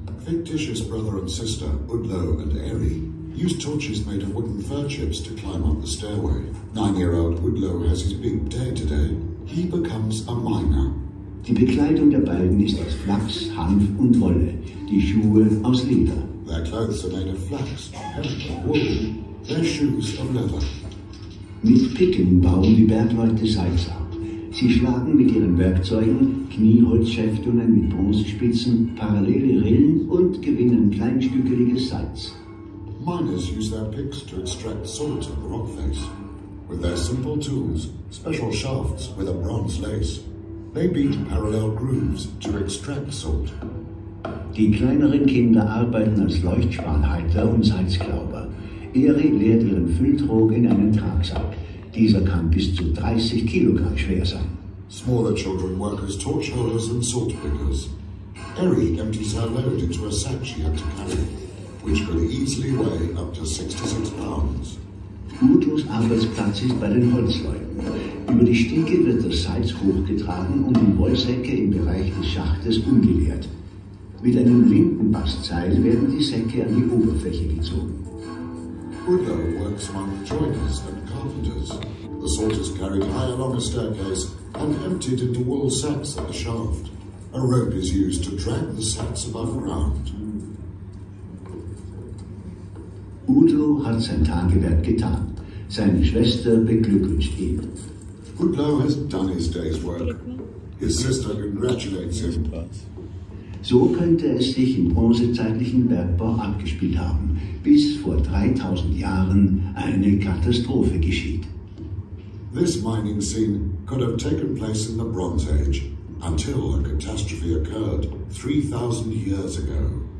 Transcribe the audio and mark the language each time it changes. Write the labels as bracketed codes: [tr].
[en] Fictitious brother and sister, Udo and Eri. Use torches made of wooden fir chips to climb up the stairway. 9-year-old Udlo has his big day today. He becomes a miner. [de] Die Bekleidung der beiden ist aus Flachs, Hanf und Wolle. Die Schuhe aus Leder. [en] Their clothes are made of flax, hemp and wool. Their shoes of leather. [de] Mit Picken bauen die Bergleute Salz ab. Sie schlagen mit ihren Werkzeugen Knieholzschäftungen mit Bronzespitzen, parallele Rillen und gewinnen kleinstückeliges Salz. [en] miners use their picks to extract salt and rock face. With their simple tools, special shafts with a bronze lace, they beat parallel grooves to extract salt. [de] Die kleineren Kinder arbeiten als Leuchtspanhalter und Salzglauber. Eri leert ihren Fülltrog in einen Tragsack. Dieser kann bis zu 30 Kilogramm schwer sein. [en] Smaller children work as torch holders and salt pickers. Eri empties her load into a sack she had to carry, which could easily weigh up to 66 pounds. [de] Udos Arbeitsplatz ist bei den Holzleuten. Über die Stiege wird das Salz hochgetragen und in Wollsäcke im Bereich des Schachtes umgeleert. Mit einem linken Bastseil werden die Säcke an die Oberfläche gezogen. [en] Udo works among joiners and carpenters. The salt is carried high along a staircase and emptied into wool sacks at the shaft. A rope is used to drag the sacks above ground. [de] Udo hat sein Tagewerk getan. Seine Schwester beglückwünscht ihn. [en] Udo has done his day's work. His sister congratulates him. [de] So könnte es sich im bronzezeitlichen Bergbau abgespielt haben, bis vor 3000 Jahren eine Katastrophe geschieht. [en] This mining scene could have taken place in the Bronze Age, until a catastrophe occurred 3000 years ago.